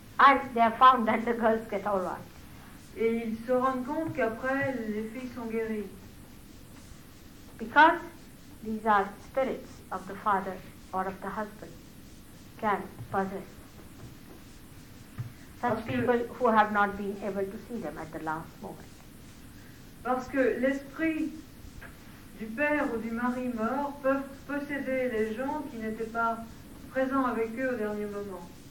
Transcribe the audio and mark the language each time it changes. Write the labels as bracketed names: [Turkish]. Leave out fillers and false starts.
[English] And they have found that the girls get all right. [French] Et ils se rendent compte qu'après, les filles sont guéries. [English] Because these are spirits of the father or of the husband can possess such people who have not been able to see them at the last moment. [French] Parce que l'esprit du père ou du mari mort peuvent posséder les gens qui n'étaient pas présent avec eux au dernier moment.